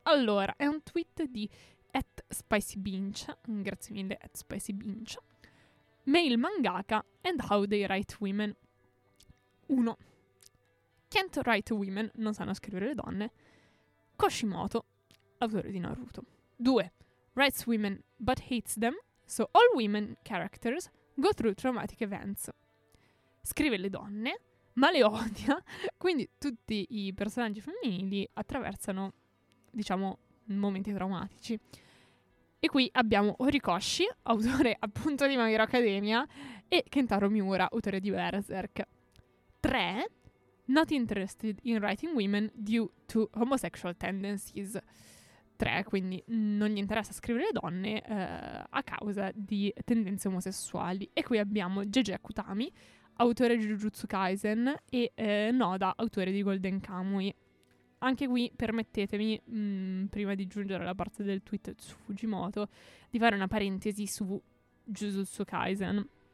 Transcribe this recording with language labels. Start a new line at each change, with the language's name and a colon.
Italian: Allora, è un tweet di @spicybinch, grazie mille @spicybinch,
English: male mangaka and how they write women.
Italian: 1.
English: Can't write women,
Italian: non sanno scrivere le donne. Koshimoto, autore di Naruto.
English: 2. Writes women but hates them, so all women characters go through traumatic events.
Italian: Scrive le donne, ma le odia, quindi tutti i personaggi femminili attraversano, diciamo, momenti traumatici. E qui abbiamo Horikoshi, autore appunto di My Hero Academia, e Kentaro Miura, autore di Berserk.
English: 3. Not interested in writing women due to homosexual tendencies. 3.
Italian: Quindi non gli interessa scrivere donne a causa di tendenze omosessuali. E qui abbiamo Jeje Akutami, autore di Jujutsu Kaisen, e Noda, autore di Golden Kamuy. Anche qui permettetemi, prima di giungere alla parte del tweet su Fujimoto, di fare una parentesi su Jujutsu Kaisen.